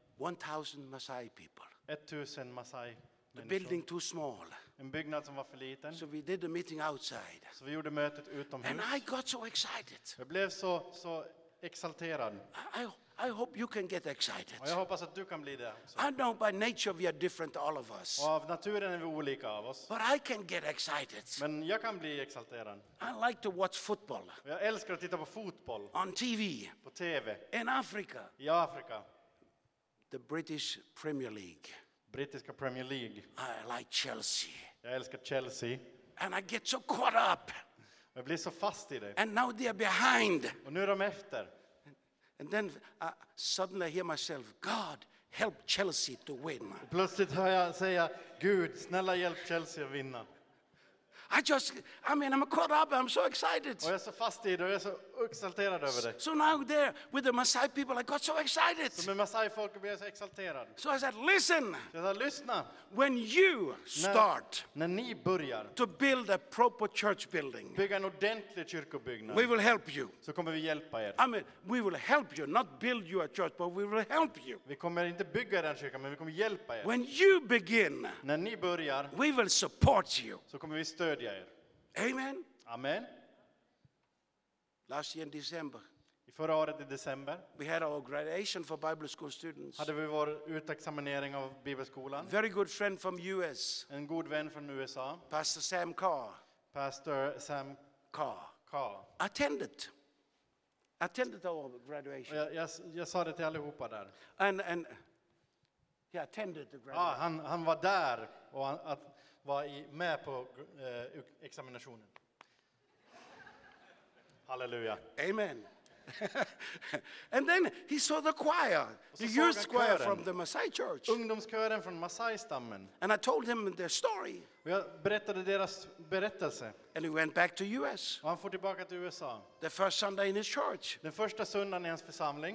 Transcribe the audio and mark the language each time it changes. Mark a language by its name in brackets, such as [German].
[English] 1000 Maasai people. [Swedish] 1000 Maasai. [English] The building too small. [Swedish] En byggnad som var för liten. [English] So we did the meeting outside. [Swedish] Så vi gjorde mötet utomhus. [English] And I got so excited. [Swedish] Jag blev så exalterad. [English] I hope you can get excited. [Swedish] Jag hoppas att du kan bli det. [English] I know by nature we are different, all of us. [Swedish] Av naturen är vi olika av oss. [English] But I can get excited. [Swedish] Men jag kan bli exalterad. [English] I like to watch football. [Swedish] Jag älskar att titta på fotboll. [English] On TV. [Swedish] På TV. [English] In Africa. [Swedish] I Afrika. [English] The British Premier League. [Swedish] Brittiska Premier League. [English] I like Chelsea. [Swedish] Jag älskar Chelsea. [English] And I get so caught up. [Swedish] Jag blir så fast i det. [English] And now they are behind. [Swedish] Och nu är de efter. [English] And then I suddenly hear myself, God, help Chelsea to win. [Swedish] Plötsligt hör jag säga, Gud, snälla hjälp Chelsea att vinna. [English] I'm caught up, I'm so excited. [Swedish] Och jag är så fast i det, och jag är så exalterad över det. [English] So now there with the Maasai people, I got so excited. [Swedish] Så med Maasai folk blir jag så exalterad. [English] So I said, listen. [Swedish] Jag sa, lyssna. [English] When you start. [Swedish] När ni börjar. [English] To build a proper church building. [Swedish] Bygga en ordentlig kyrkobyggnad. [English] We will help you. [Swedish] Så kommer vi hjälpa er. [English] We will help you, not build you a church, but we will help you. [Swedish] Vi kommer inte bygga den kyrkan, men vi kommer hjälpa er. [English] When you begin. [Swedish] När ni börjar. [English] We will support you. [Swedish] Så kommer vi stödja. [English] Amen. [Swedish] Amen. [English] Last year in December. [Swedish] I förra året i december. [English] We had our graduation for Bible school students. [Swedish] Hade vi vår utexaminering av bibelskolan. [English] Very good friend from US. [Swedish] En god vän från USA. [English] Pastor Sam Carr. [Swedish] Pastor Sam [English] Carr. [Swedish] Carr. [English] Attended our graduation. [Swedish] Jag sa det till allihopa där. [English] And he attended the graduation. [Swedish] Ja, han var där och att var med på examinationen. [English] Halleluja. [Swedish] Amen. [English] And then he saw the choir, the youth choir from the Maasai church. [Swedish] Ungdomskören från Maasai-stammen. [English] And I told him their story. [Swedish] Jag berättade deras berättelse. [English] And he went back to US. [Swedish] Och han for tillbaka till USA. [English] The first Sunday in his church. [Swedish] Den första söndagen i hans församling.